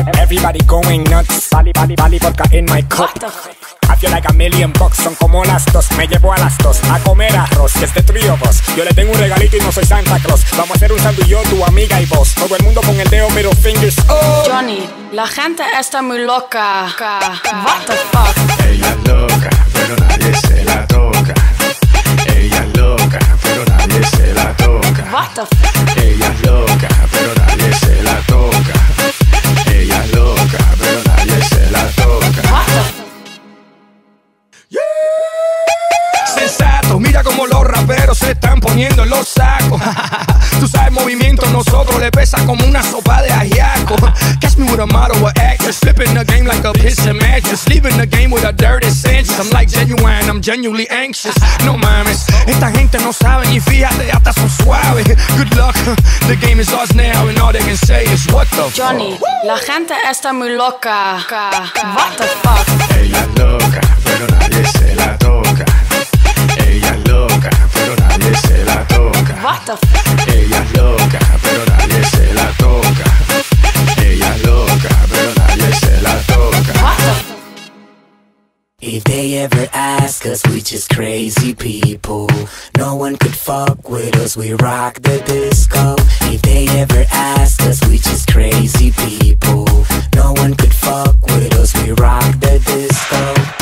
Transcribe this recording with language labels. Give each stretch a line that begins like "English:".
English: Everybody going nuts, Bali Bali Bali vodka in my cup. I feel like a million bucks,
Spanish: son como las dos, me llevo a las dos a comer arroz, que es de trío vos. Yo le tengo un regalito y no soy Santa Claus. Vamos a hacer un sándwich, yo, tu amiga y vos. Todo el mundo con el dedo, pero
English: fingers up.
Spanish: Johnny, la gente está muy loca.
English: What the fuck?
Spanish: Ella es loca, pero nadie se la toca. Ella es loca, pero nadie se la toca.
English: What the f***?
Spanish: Ella es loca, pero nadie se la toca. Ella es loca, pero nadie se la toca.
English: What the f***? Yeah.
Spanish: Sensato, mira como los raperos se están poniendo en los sacos. Tú sabes movimiento, nosotros le pesa como una sopa de ajiaco.
English: Catch me with a model or actor, slipping the game like a pissing mattress. Leaving the game with a dirty sense. I'm like genuine, I'm genuinely anxious.
Spanish: No mames, esta gente no sabe ni fíjate, hasta son suaves.
English: Good luck, the game is ours now and all they can say is what the Johnny, fuck.
Spanish: Johnny, la gente está muy loca.
English: What the fuck?
Spanish: Ella es loca, pero nadie se la toca. Ella es loca, pero nadie se la toca.
English: What the f***?
Spanish: Ella es loca, pero nadie se la toca. Ella es loca, pero nadie se la toca.
English: If they ever ask us, we just crazy people. No one could fuck with us, we rock the disco. If they ever ask us, we just crazy people. No one could fuck with us, we rock the disco.